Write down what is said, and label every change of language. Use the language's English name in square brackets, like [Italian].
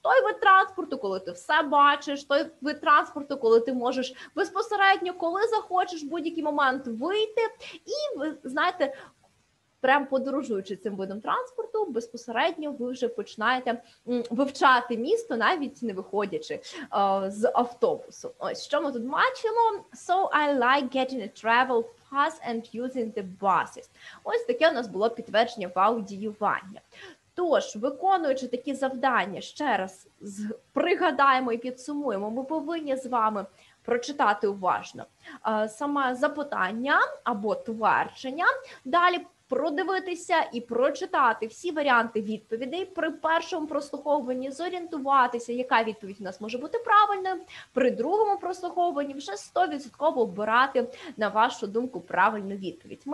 [Ukrainian] Той вид транспорту, коли ти все бачиш, той вид транспорту, коли ти можеш безпосередньо, коли захочеш, в будь-який момент вийти. І, ви знаєте, прям подорожуючи цим видом транспорту, безпосередньо ви вже починаєте вивчати місто, навіть не виходячи з автобусу. Ось, що ми тут бачимо? [English] So I like getting a travel pass and using the buses. [Ukrainian] Ось таке у нас було підтвердження в аудіювання. Тож, виконуючи такі завдання, ще раз пригадаємо і підсумуємо, ми повинні з вами прочитати уважно саме запитання або твердження, далі продивитися і прочитати всі варіанти відповідей при першому прослуховуванні, зорієнтуватися, яка відповідь у нас може бути правильною, при другому прослуховуванні вже 100% обирати, на вашу думку, правильну відповідь.